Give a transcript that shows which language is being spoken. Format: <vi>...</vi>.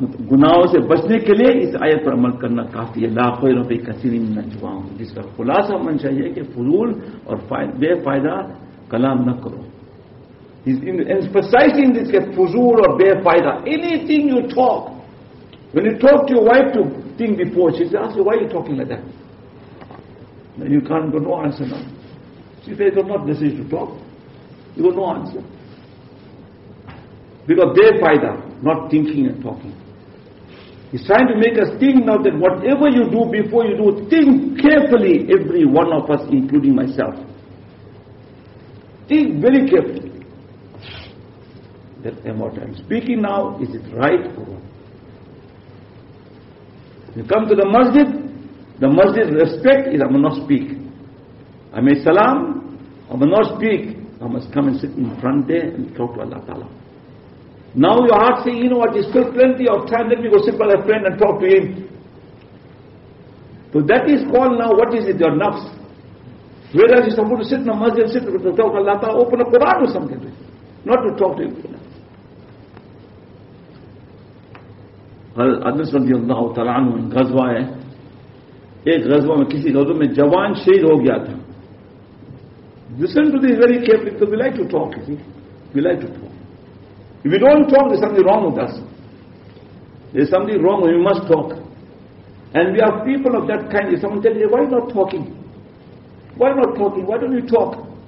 <ur>گناہوں سے بچنے کے لیے اس آیت پر عمل کرنا کافی ہے.</ur> <ar>لا خیر فی کثیر من نجواہم,</ar> <ur>جس کا خلاصہ من چاہیے کہ فضول اور بے فائدہ کلام نہ کرو.</ur> <en>He's emphasizing this,</en> <ur>کہ فضول اور بے فائدہ.</ur> <en>Anything you talk, when you talk to your wife to think before, she asks you, why are you talking like that? Then you can't go, no answer now. She says, it's not necessary to talk. You go, no answer. Because bay fayda, not thinking and talking. He's trying to make us think now that whatever you do, before you do, think carefully, every one of us, including myself. Think very carefully. That what I'm speaking now, is it right or wrong? You come to the masjid respect is I must not speak. I may salam, I must not speak. I must come and sit in front there and talk to Allah Ta'ala. Now your heart saying, you know what, there's still plenty of time, let me go sit by a friend and talk to him. So that is called now, what is it, your nafs. Whereas you're supposed to sit in a masjid, sit to talk to Allah Ta'ala, open a Quran or something. Not to talk to him.</en> <ur>Anas رضی اللہ تعالیٰ عنہ ایک غزوہ ہے, ایک غزوہ میں کسی غزوہ میں جوان شہید ہو گیا تھا.</ur> <en>Listen to this very carefully, because we like to talk, you see. We like to talk. If we don't talk, there's something wrong with us. There's something wrong, we must talk. And we are people of that kind. If someone tells you, why not talking? Why not talking? Why don't you talk?</en>